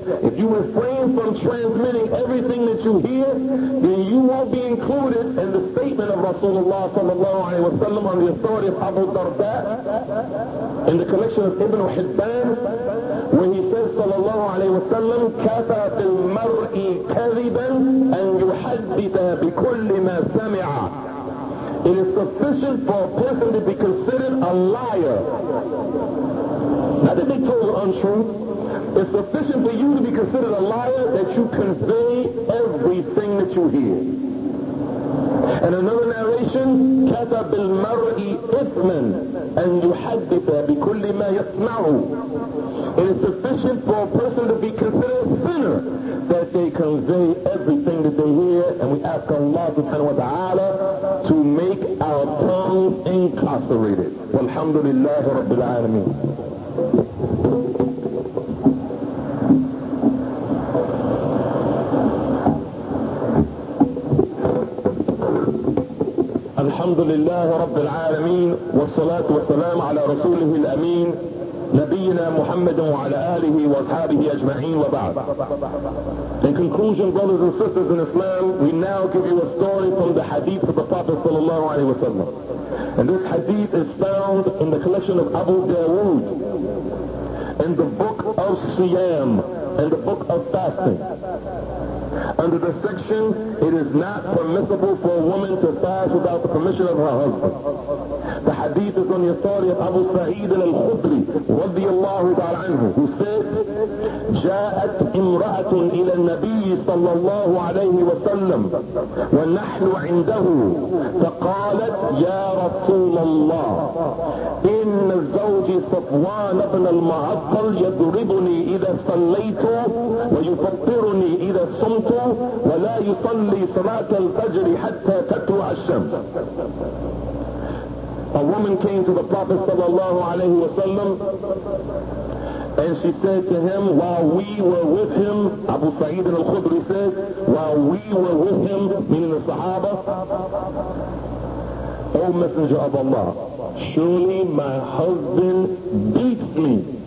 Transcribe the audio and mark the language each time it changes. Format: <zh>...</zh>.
<en>If you refrain from transmitting everything that you hear, then you won't be included in the statement of Rasulullah sallallahu alayhi wa sallam on the authority of Abu Darda in the collection of Ibn Hibban, when he says sallallahu alayhi wa sallam,</en> <ar>كَفَى فِي الْمَرْءِ كَذِبًا أَنْ يُحَدِّثَ بِكُلِّ مَا سَمِعَ.</ar> <en>It is sufficient for a person to be considered a liar. Not that they told the untruth. It's sufficient for you to be considered a liar that you convey everything that you hear. And another narration,</en> <ar>كَتَى بِالْمَرْءِ إِثْمًا أَنْ يُحَدِّثَ بِكُلِّ مَا يَسْمَعُ.</ar> <en>It is sufficient for a person to be considered a sinner that they convey everything that they hear. And we ask Allah subhanahu wa ta'ala to make our tongues incarcerated.</en> <ar>Walhamdulillahi Rabbil Alameen. الحمد لله رب العالمين والصلاة والسلام على رسوله الأمين نبينا محمد وعلى آله وأصحابه أجمعين وبعد.</ar> <en>In conclusion, brothers and sisters in Islam, we now give you a story from the hadith of the Prophet</en> <ar>صلى الله عليه وسلم.</ar> <en>And this hadith is found in the collection of Abu Dawood, in the book of Siyam, in the book of fasting. Under the section, it is not permissible for a woman to fast without the permission of her husband. The hadith is on the authority of Abu Sa'id al-Khudri, radiallahu ta'ala anhu, who said,</en> <ar>جاء جاءت امرأة الى النبي صلى الله عليه وسلم ونحن عنده فقالت يا رسول الله ان زوجي صفوان بن المعطل يضربني اذا صليت ويفطرني اذا صمت ولا يصلي صلاة الفجر حتى تطلع الشمس.</ar> <en>A woman came to the Prophet sallallahu alayhi wa sallam and she said to him, while we were with him, Abu Sa'id al-Khudri said, while we were with him, meaning the Sahaba, O Messenger of Allah, surely my husband beats me.</en>